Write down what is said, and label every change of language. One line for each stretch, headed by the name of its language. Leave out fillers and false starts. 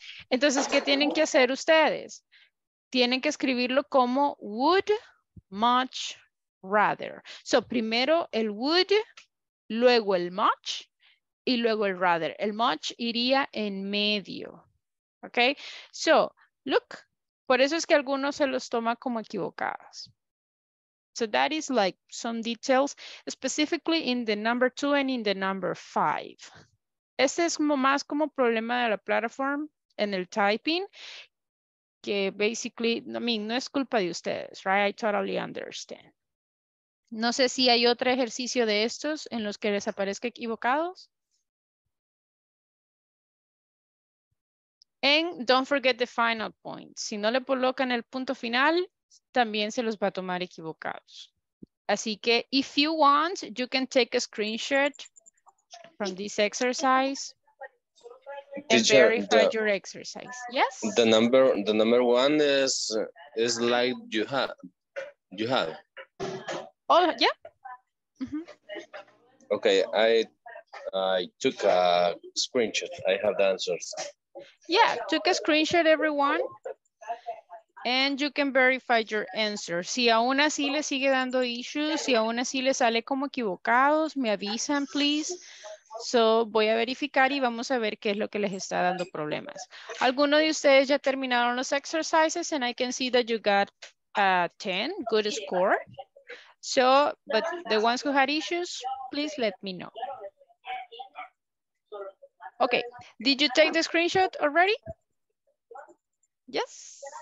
Spanish: Entonces, ¿qué tienen que hacer ustedes? Tienen que escribirlo como
English: would much rather.
Spanish: So, primero el would, luego el much y luego el rather. El much iría en medio.
English: Ok, so, look.
Spanish: Por eso es que algunos se los toma como equivocadas.
English: So that is like some details, specifically in the number two and in the number five.
Spanish: Este es como más como problema de la plataforma en el typing, que
English: basically, I mean,
Spanish: no es culpa de ustedes,
English: right? I totally understand.
Spanish: No sé si hay otro ejercicio de estos en los que les aparezca equivocados.
English: And don't forget the final point.
Spanish: Si no le colocan el punto final, también se los va a tomar equivocados. Así que,
English: if you want, you can take a screenshot from this exercise and verify your exercise. Yes? The number one is like you have. Oh, yeah. Mm-hmm. Okay, I took a screenshot. I have the answers. Yeah, took a screenshot, everyone. And you can verify your answer.
Spanish: Si aún así le sigue dando issues, si aún así le sale como equivocados, me avisan, please. So, voy a verificar y vamos a ver qué es lo que les está dando problemas. ¿Alguno de ustedes ya terminaron los exercises?
English: And I can see that you got a 10, good score. So, but the ones who had issues, please let me know. Okay, did you take the screenshot already? Yes?